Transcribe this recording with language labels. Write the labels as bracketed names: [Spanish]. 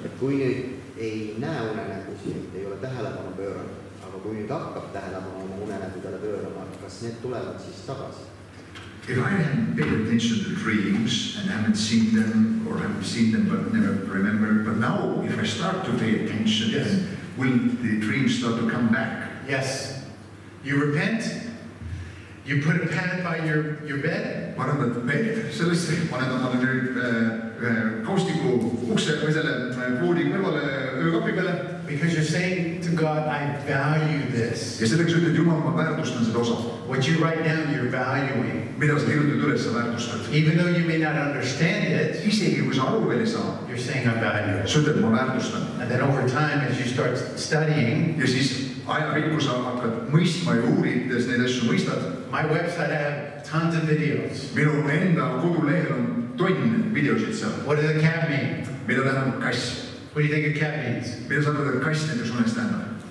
[Estonian] Kui ei näe unenägusi, ei ole tähelepanu pööranud, aga kui nüüd hakkab tähelepanu oma unenägudele pöörama, kas need tulevad siis tagasi? [English] If I hadn't paid attention to dreams and haven't seen them, or haven't seen them but never remembered, but now if I start to pay attention, yes. Will the dreams start to come back? Yes. You repent, you put a pad by your bed. One of the bed, so let's say, one of the [Estonian] kaustiku ukse või selle puudi kõrvale öökapi peale. [English] Because you're saying to God, I value this. [Estonian] Ja selleks ütled, Jumal, ma väärtustan seda osa. [English] What you write down, you're valuing. [Estonian] Mida sa kirjutad üles, sa väärtustad. [English] Even though you may not understand it, [Estonian] isegi kui sa aru veel ei saa, [English] you're saying I value it. [Estonian] Sa ütled, ma väärtustan. [English] And then over time, as you start studying, [Estonian] ja siis ajavikku sa hakkad mõistma ja uurides neid asju mõistad. [English] My website, I have tons of videos. [Estonian] Minu enda kodulehel on tonne videosid seal. [English] What does a cat mean? [Estonian] Mida tähendab kass? [English] What do you think a cat means? [Estonian] Mida sa tähendab kass nende suunest tähendab?